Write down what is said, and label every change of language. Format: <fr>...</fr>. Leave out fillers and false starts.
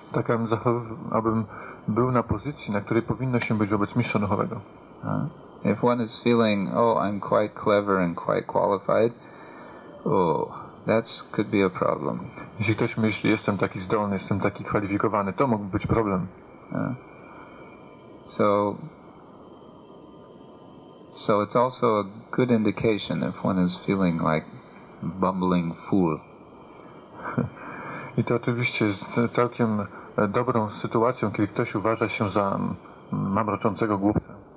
<pl>Tak, abym był na pozycji, na której powinno się być wobec mistrza duchowego.</pl> <en>If one is feeling, oh, I'm quite clever and quite qualified, oh, that could be a problem.</en> <pl>Jeśli ktoś myśli, jestem taki zdolny, jestem taki kwalifikowany, to mógłby być problem.</pl> <en>So it's also a good indication if one is feeling like a bumbling fool.</en> <pl>I to oczywiście jest całkiem dobrą sytuacją, kiedy ktoś uważa się za mamroczącego głupca.</pl>